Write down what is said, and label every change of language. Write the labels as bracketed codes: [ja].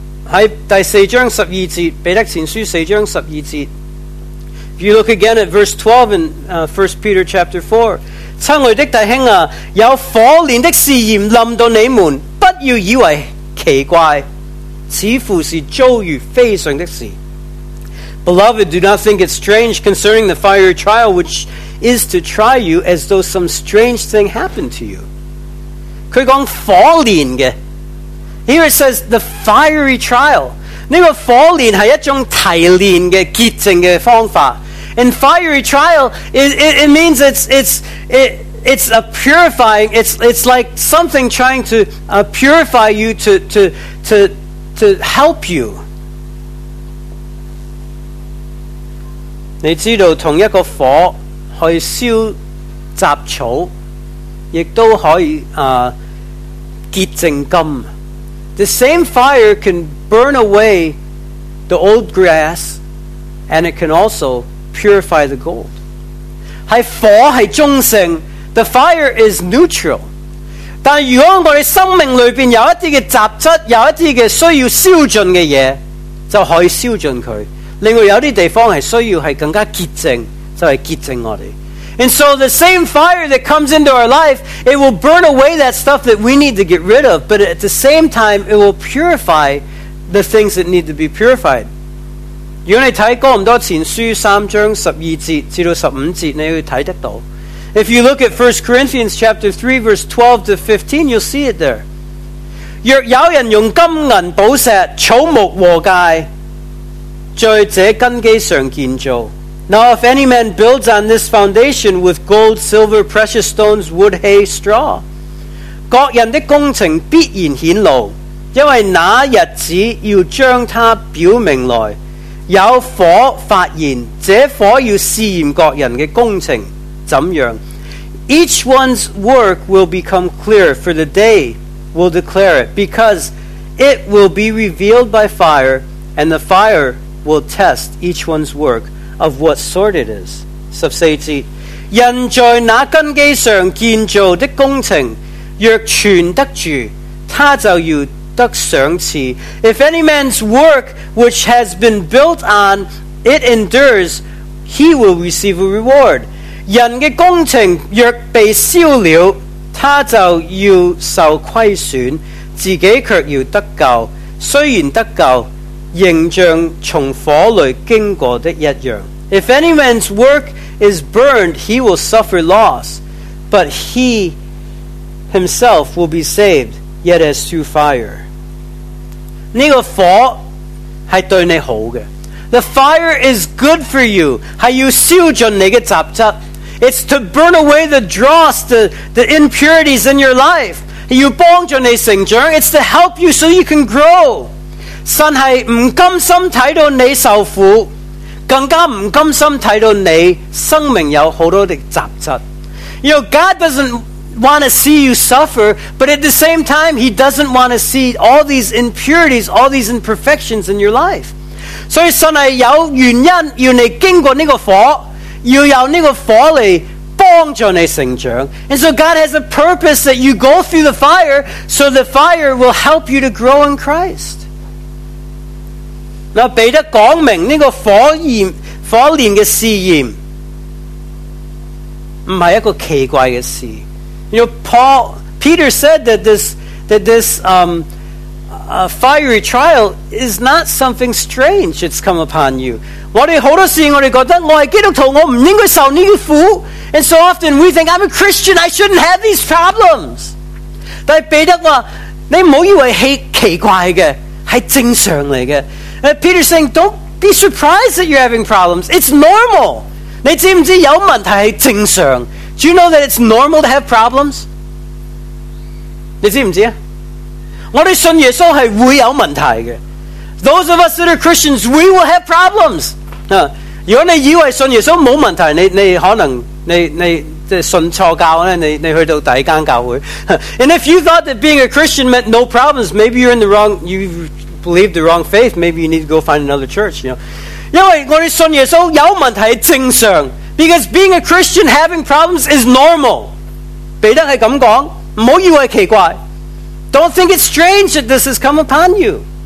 [zh] 在第四章十二节，彼得前书四章十二节。 [en] If you look again at verse 12 in 1 Peter chapter 4. [zh] 亲爱的弟兄啊，有火炼的试验临到你们，不要以为奇怪，似乎是遭遇非常的事。 [en] Beloved, do not think it strange concerning the fiery trial which is to try you as though some strange thing happened to you. [zh] 他说火炼的。 [en] Here it says the fiery trial. [zh] 这个火炼是一种提炼的洁净的方法。 [en] And fiery trial, it means it's a purifying, it's like something trying to purify you, to help you. [zh] 你知道同一个火可以烧杂草，也都可以 [en] The same fire can burn away the old grass and it can also purify the gold. [zh] 是火是中性， [en] the fire is neutral. [zh] 但如果我们生命里面有一些的杂质，有一些的需要烧尽的东西，就可以烧尽它。另外有些地方是需要是更加洁净，就是洁净我们。 [en] And so the same fire that comes into our life, it will burn away that stuff that we need to get rid of, but at the same time, it will purify the things that need to be purified. [zh] 如果你睇哥林多前书三章十二节至到十五节，你会睇得到。 [en] If you look at 1 Corinthians chapter 3, verse 12 to 15, you'll see it there. [zh] 若有人用金银宝石、草木和芥，在这根基上建造。 [en] Now if any man builds on this foundation with gold, silver, precious stones, wood, hay, straw, [zh] 各人的工程必然显露，因为那日子要将它表明来，有火发现，这火要试验各人的工程怎样。 [en] Each one's work will become clear, for the day will declare it, because it will be revealed by fire, and the fire will test each one's work. Of what sort it is. [zh] 十四节，人在那根基上建造的工程若存得住，他就要得赏赐。 [en] If any man's work which has been built on it endures, he will receive a reward. [zh] 人的工程若被烧了，他就要受亏损，自己却要得救，虽然得救，形象从火里经过的一样。 [en] If any man's work is burned, he will suffer loss, but he himself will be saved, yet as through fire. [zh] 这个火是对你好的。 [en] The fire is good for you, [zh] 是要烧尽你的杂质。 [en] It's to burn away the dross, the impurities in your life. [zh] 要帮助你成长。 [en] It's to help you so you can grow. [zh] 神是不甘心看到你受苦，更加不甘心看到你生命有很多的杂质。 [en] You know, God doesn't want to see you suffer, but at the same time, He doesn't want to see all these impurities, all these imperfections in your life. [zh] 所以信是有原因要你经过这个火，要有这个火来帮助你成长。 [en] And so God has a purpose that you go through the fire so the fire will help you to grow in Christ. [zh] 那彼得讲明这个火炼的试验不是一个奇怪的事。 [en] You know, Peter said that this fiery trial is not something strange that's come upon you. [zh] 我们很多事情我们觉得我是基督徒我不应该受这个苦。 [en] And so often we think, I'm a Christian, I shouldn't have these problems. [zh] 但彼得说你不要以为是奇怪的，是正常来的。 [en] Peter is saying, don't be surprised that you're having problems. It's normal. [zh] 你知不知道有问题是正常？ [en] Do you know that it's normal to have problems? [zh] 你知不知道我们信耶稣是会有问题的。 [en] Those of us that are Christians, we will have problems. [zh] 如果你以为信耶稣没有问题， 你可能信错教， 你去到第一间教会。 [en] And if you thought that being a Christian meant no problems, maybe you're in the wrong, you believe the wrong faith, maybe you need to go find another church, you know? [zh] 因为我们信耶稣有问题正常， [en] because being a Christian having problems is normal. [zh] 彼得是这样说，不要以为奇怪。 [en] Don't think it's strange that this has come upon you.